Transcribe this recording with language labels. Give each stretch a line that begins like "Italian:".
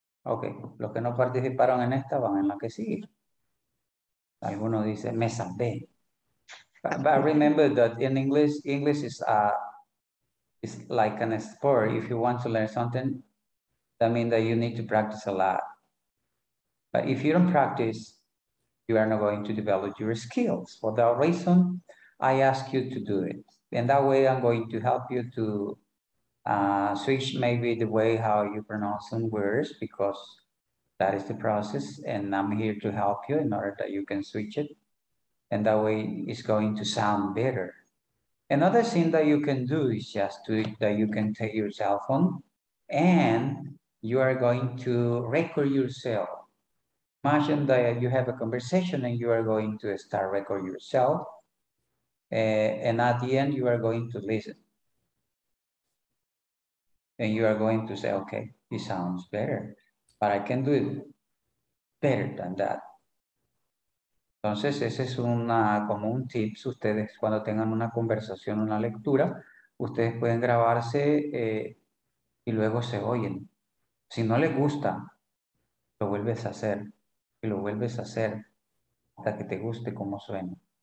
Spanish: Okay, los que no participaron en esta van en la que sigue. Alguno dice, me salvé.
English: But remember that in English is like an sport. If you want to learn something, that means that you need to practice a lot. But if you don't practice, you are not going to develop your skills. For that reason, I ask you to do it. And that way I'm going to help you to switch maybe the way how you pronounce some words, because that is the process, and I'm here to help you in order that you can switch it, and that way it's going to sound better. Another thing that you can do is just that you can take your cell phone and you are going to record yourself. Imagine that you have a conversation and you are going to start record yourself, and at the end you are going to listen. And you are going to say, okay, it sounds better, but I can do it better than that.
Spanish: Entonces, ese es una, como un tip. Ustedes, cuando tengan una conversación, una lectura, ustedes pueden grabarse y luego se oyen. Si no les gusta, lo vuelves a hacer y lo vuelves a hacer hasta que te guste cómo suena.